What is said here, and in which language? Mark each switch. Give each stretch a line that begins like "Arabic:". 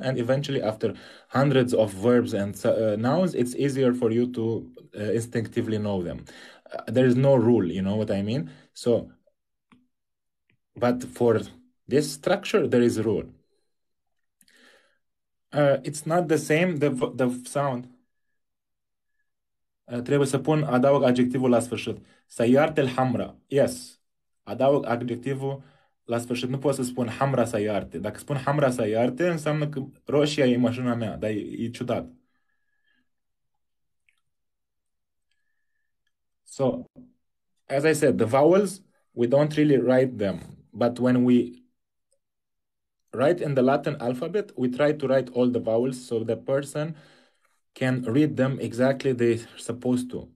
English: And eventually, after hundreds of verbs and nouns, it's easier for you to instinctively know them. There is no rule, you know what I mean? So, but for this structure, there is a rule. It's not the same, the sound.
Romanian: Trebuie să pun adaug adjectivul la sfârșit.
Arabic: Sayarte al-hamra.
English: Yes.
Romanian: Adaug adjectivul la sfârșit. Nu pot să spun
Arabic: hamra sayarte.
Romanian: Dacă spun
Arabic: hamra sayarte,
Romanian: înseamnă că roșia e mașina mea. Dar e ciudat.
English: So, as I said, the vowels, we don't really write them. But when we write in the Latin alphabet, we try to write all the vowels so the person can read them exactly they're supposed to.